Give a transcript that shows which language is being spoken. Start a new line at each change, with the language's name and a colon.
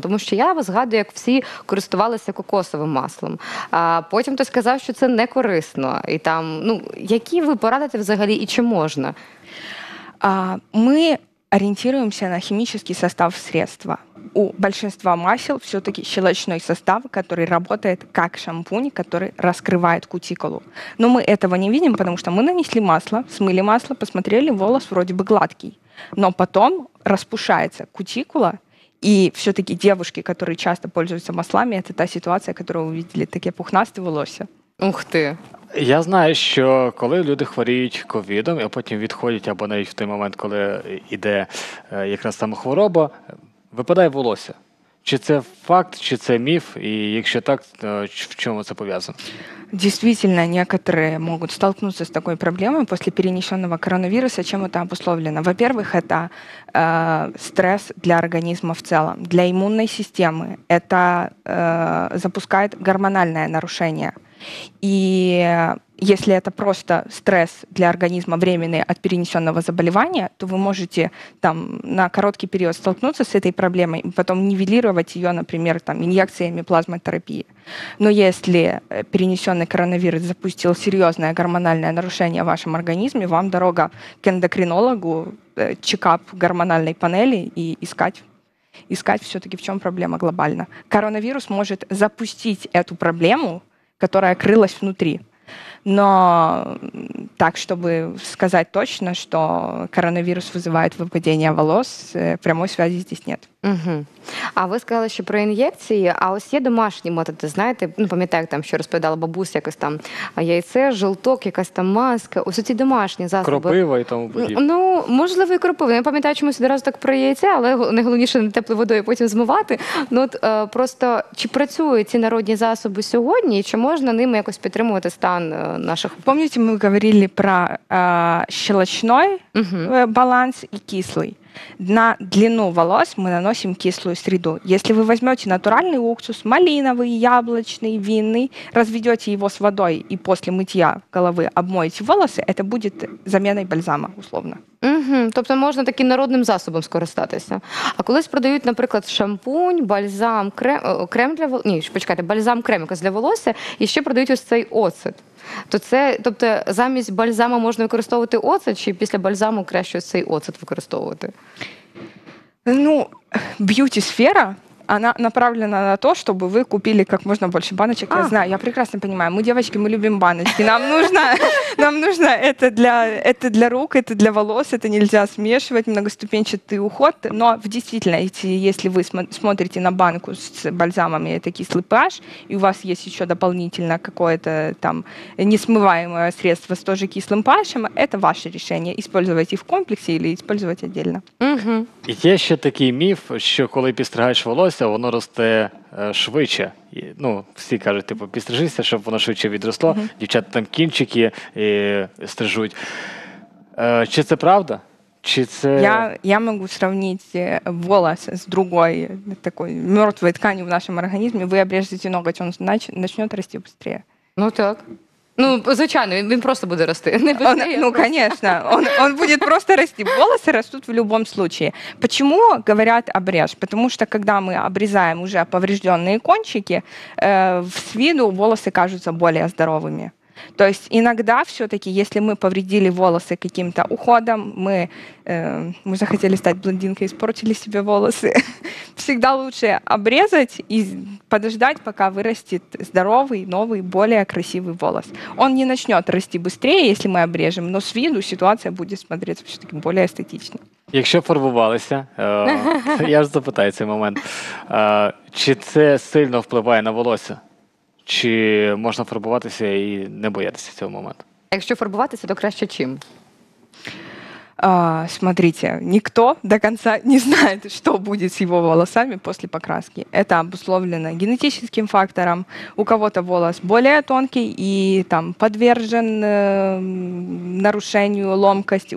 Ukrainian: Тому що я згадую, як всі користувалися кокосовим маслом. А потім хтось сказав, що це не корисно. І там, ну, які ви порадите взагалі і чи можна? Ми орієнтуємося на хімічний
Russian: состав средства. У большинства масел все-таки щелочной состав, который работает как шампунь, который раскрывает кутикулу. Но мы этого не видим, потому что мы нанесли масло, смыли масло, посмотрели, волос вроде бы гладкий. Но потом распушается кутикула, и все-таки девушки, которые часто пользуются маслами, это та ситуация, которую вы видели, такие пухнастые волосы. Ух ты!
Ukrainian: Я знаю, що коли люди хворіють ковідом, а потім відходять, або навіть в той момент, коли йде якраз саме хвороба, випадає волосся. Чи це факт, чи це міф? І якщо так, то в чому це пов'язано?
Russian: Действительно, некоторые могут столкнуться с такой проблемой после перенесенного коронавируса. Чем это обусловлено? Во-первых, это стресс для организма в целом. Для иммунной системы это запускает гормональное нарушение. И если это просто стресс для организма временный от перенесенного заболевания, то вы можете там, на короткий период столкнуться с этой проблемой и потом нивелировать ее, например, там, инъекциями плазмотерапии. Но если перенесенный коронавирус запустил серьезное гормональное нарушение в вашем организме, вам дорога к эндокринологу, чекап гормональной панели и искать все-таки, в чем проблема глобально. Коронавирус может запустить эту проблему, которая крылась внутри. Но так, чтобы сказать точно, что коронавирус вызывает выпадение волос, прямой связи здесь нет. Угу.
Ukrainian: А ви сказали, що про ін'єкції, а ось є домашні методи, знаєте, ну, пам'ятаю, там, що розповідала бабуся, якось там яйце, жолток, якась там маска, ось ці домашні засоби. Кропива і тому подібне. Ну, можливо, і кропива. Я пам'ятаю чомусь одразу так про яйце, але найголовніше не теплою водою потім змивати. Ну, от, просто, чи працюють ці народні засоби сьогодні, і чи можна ними якось підтримувати стан наших? Пам'ятаєте, ми говорили про щелочний баланс і кислий.
Russian: На длину волос мы наносим кислую среду. Если вы возьмете натуральный уксус, малиновый, яблочный, винный, разведете его с водой и после мытья головы обмоете волосы, это будет заменой бальзама, условно. Угу.
Ukrainian: Тобто можна таким народним засобом скористатися. А колись продають, наприклад, шампунь, бальзам, крем для волосся. Ні, ще почекайте, бальзам, крем якось для волосся, і ще продають ось цей оцет. То це, тобто, замість бальзаму можна використовувати оцет, чи після бальзаму краще ось цей оцет використовувати? Ну, б'юті-сфера.
Russian: Она направлена на то, чтобы вы купили как можно больше баночек. Я знаю, я прекрасно понимаю. Мы, девочки, мы любим баночки. Нам нужно это для рук, это для волос, это нельзя смешивать, многоступенчатый уход. Но в действительности, если вы смотрите на банку с бальзамами, это кислый pH, и у вас есть еще дополнительно какое-то там несмываемое средство с тоже кислым pH, это ваше решение. Использовать их в комплексе или использовать отдельно.
Ukrainian: Є ще такий міф, що коли підстригаєш волосся, воно росте швидше. Ну, всі кажуть, типу, підстрижися, щоб воно швидше відросло. Uh-huh. Дівчата там кінчики стрижуть. Чи це правда? Чи це... Я можу порівняти волос з другою такою мертвою тканю в нашому організмі. Ви обрежете ноготь, він почне рости швидше. Ну так. Ну, звичайно, він просто буде рости. Не без он, ну, звісно, він буде просто рости. Волоси ростуть в будь-якому випадку.
Russian: Почему говорят обреж? Потому что, когда мы обрезаем уже поврежденные кончики, с виду волосы кажутся более здоровыми. То есть иногда все-таки, если мы повредили волосы каким-то уходом, мы захотели стать блондинкой, испортили себе волосы, всегда лучше обрезать и подождать, пока вырастет здоровый, новый, более красивый волос. Он не начнет расти быстрее, если мы обрежем, но с виду ситуация будет смотреться все-таки более эстетично.
Ukrainian: Якщо фарбувалися, я ж запитаю цей момент, чи це сильно впливає на волосся? Чи можна фарбуватися і не боятися цього моменту? Якщо фарбуватися, то краще чим?
Russian: Смотрите, никто до конца не знает, что будет с его волосами после покраски. Это обусловлено генетическим фактором. У кого-то волос более тонкий и там подвержен нарушению, ломкости.